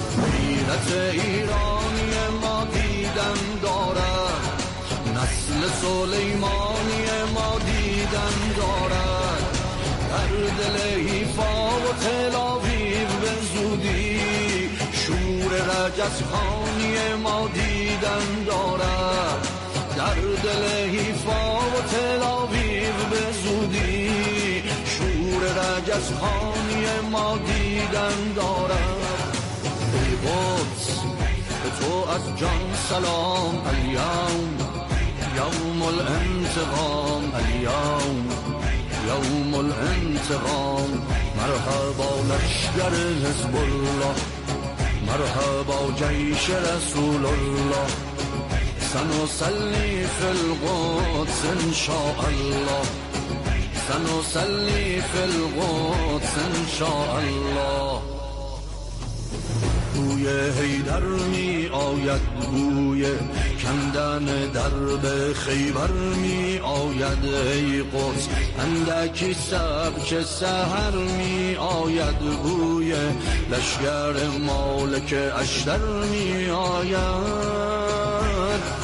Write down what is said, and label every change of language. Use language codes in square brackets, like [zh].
[fa] ملت ایرانی ما دیدن دارد، نسل سلیمانی ما دیدن دارد، در دل حیفا و تل آویو به زودی شور رجزخانی ما دیدن دارد، در دل حیفا و تل آویو به زودی شور رجزخانی ما دیدن دارد. ای قدس به تو از جان سلام، [ar] الیوم یوم الانتقام، الیوم يوم الانتقام. مرحبا لشگر حزب الله، مرحبا جيش رسول الله، سنصلي في القدس ان شاء الله، سنصلي في القدس ان شاء الله. [fa] بوی حیدر می آید، بوی کندن درب خیبر می آید، ای قدس اندکی سب که سهر می آید، بوی لشگر مالک اشتر می آید.